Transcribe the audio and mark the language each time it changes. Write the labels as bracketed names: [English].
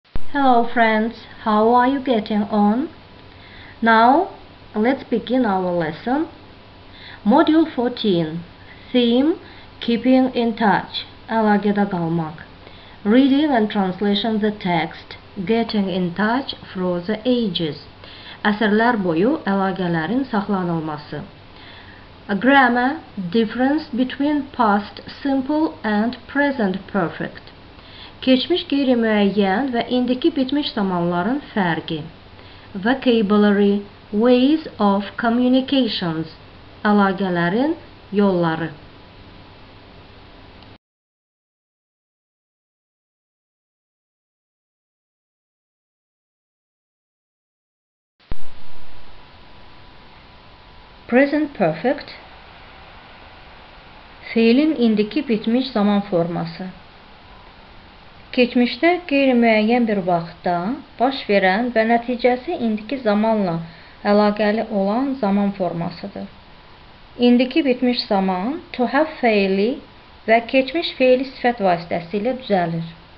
[English] Hello friends, how are you getting on? Now, let's begin our lesson. Module 14, Theme, Keeping in Touch, [Azerbaijani] Əlaqədə qalmaq. [English] Reading and translation the text, Getting in Touch through the Ages. [Azerbaijani] Əsrlər boyu əlaqələrin saxlanılması. [English] A grammar, difference between past simple and present perfect. [Azerbaijani] Keçmiş qeyri-müəyyən və indiki bitmiş zamanların fərqi. [English] Vocabulary, ways of communications, [Azerbaijani] əlaqələrin yolları. Present perfect, fiilin indiki bitmiş zaman forması. Keçmişdə qeyri-müəyyən bir vaxtda baş verən və nəticəsi indiki zamanla əlaqəli olan zaman formasıdır. İndiki bitmiş zaman to have fiili və keçmiş fiili sifət vasitəsi ilə düzəlir.